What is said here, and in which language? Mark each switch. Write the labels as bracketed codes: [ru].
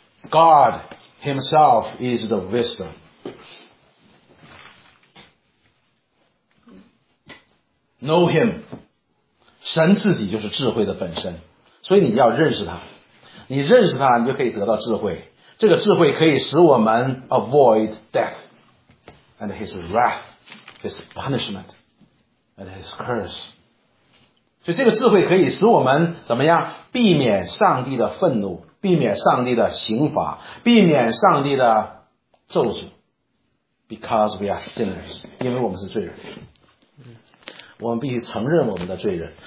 [en] God himself is the wisdom。 Know him， [zh] 神自己就是智慧的本身，所以你要认识他，你认识他，你就可以得到智慧，这个智慧可以使我们 [en] avoid death and his wrath, his punishment and his curse. [zh] 所以这个智慧可以使我们怎么样？避免上帝的愤怒，避免上帝的刑罚，避免上帝的咒诅。 [en] Because we are sinners, [zh] 因为我们是罪人，我们必须承认我们的罪人。